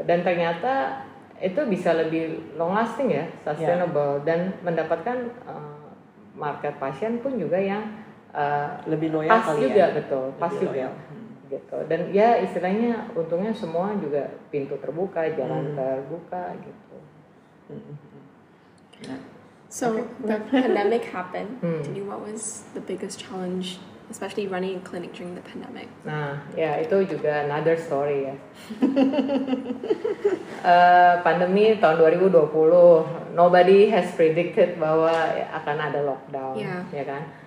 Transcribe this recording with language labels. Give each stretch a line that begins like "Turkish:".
Indonesian: Dan ternyata itu bisa lebih
English: long lasting
Indonesian: ya, sustainable, dan mendapatkan market pasien pun juga yang lebih loyal, pas juga ya. Betul, pas juga gitu. Dan ya istilahnya untungnya semua juga pintu terbuka, jalan terbuka gitu.
English: So the pandemic happened. To you, what was the biggest challenge, especially running a clinic during the pandemic?
Indonesian: Nah, ya itu juga
English: another story
Indonesian: ya. Pandemi tahun 2020,
English: nobody has predicted
Indonesian: bahwa akan ada lockdown, ya kan?